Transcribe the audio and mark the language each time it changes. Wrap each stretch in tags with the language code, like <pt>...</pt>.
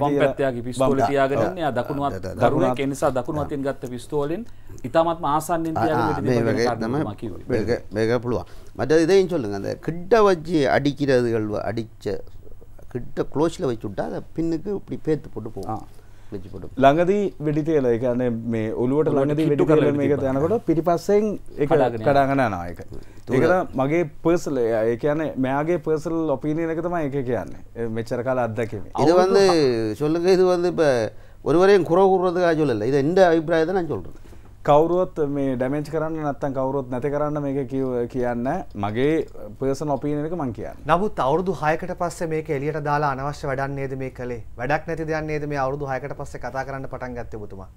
<ta>தீரதமாக மற்ற இதையும் சொல்லுங்க. அந்த கிட்ட வச்சு அடிக்கிறதுகள் அடித்த கிட்ட க்ளோஸில் வச்சு விட்டா அதை பின்னுக்கு இப்படி பேத்து போட்டு போகும்.</ta> <si>ළඟදී වෙඩි තියලා ඒ කියන්නේ මේ ඔලුවට ළඟදී වෙඩි තියලා මේක යනකොට පිටිපස්සෙන් ඒක කඩාගෙන යනවා ඒක. ඒක තමයි මගේ පර්සනල් ඒ කියන්නේ මයාගේ පර්සනල් ඔපිනියන් එක තමයි ඒක කියන්නේ. මෙච්චර කාල අත්දැකීම.</si> <ta>இது வந்து சொல்லுங்க இது வந்து இப்ப ஒருவரையும் குறை கூறிறதுக்கா சொல்லல. இது இந்த அபிப்ராயத்தை நான் சொல்றேன்.</ta> <si>කවුරුවත් මේ ඩැමේජ් කරන්න නැත්තම් කවුරුවත් නැති කරන්න මේක කියන්නේ මගේ පර්සනල් ඔපිනියන් එක මම කියන්නේ. නමුත් අවුරුදු 6කට පස්සේ මේක එලියට දාලා අනවශ්‍ය වැඩක් නේද මේ කලේ? වැඩක් නැති දෙයක් නේද මේ අවුරුදු 6කට පස්සේ කතා කරන්න පටන් ගත්තේ ඔබතුමා?</si>